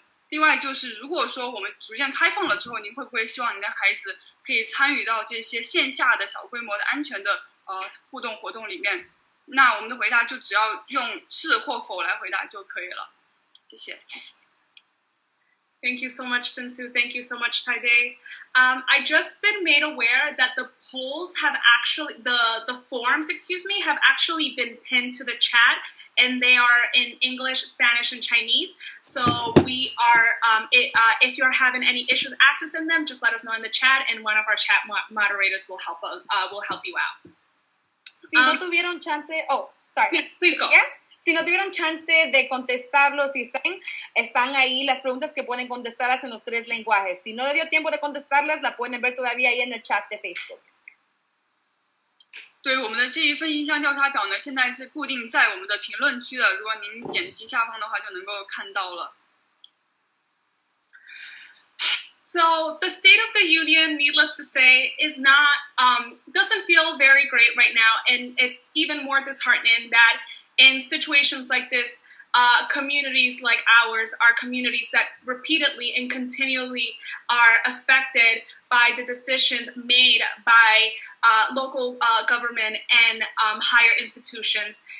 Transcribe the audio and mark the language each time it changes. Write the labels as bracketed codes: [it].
[zh] 另外就是如果说我们逐渐开放了之后，您会不会希望您的孩子可以参与到这些线下的小规模的安全的互动活动里面。那我们的回答就只要用是或否来回答就可以了，谢谢。 [en] Thank you so much, Sinsu. Thank you so much, Taidei. I just been made aware that the polls have actually, the forms, excuse me, have actually been pinned to the chat, and they are in English, Spanish, and Chinese. So we are, if you are having any issues accessing them, just let us know in the chat, and one of our chat moderators will help you out. [es] Si no tuvieron chance, [en] please go. Yeah? [es] Si no tuvieron chance de contestarlo, si están ahí las preguntas que pueden contestarlas en los tres lenguajes. Si no le dio tiempo de contestarlas, la pueden ver todavía ahí en el chat de Facebook. [zh] 对，我们的这一份印象调查表呢，现在是固定在我们的评论区的，如果您点击下方的话就能够看到了。 [en] So, the State of the Union, needless to say, is not, doesn't feel very great right now, and it's even more disheartening that in situations like this, communities like ours are communities that repeatedly and continually are affected by the decisions made by local government and higher institutions.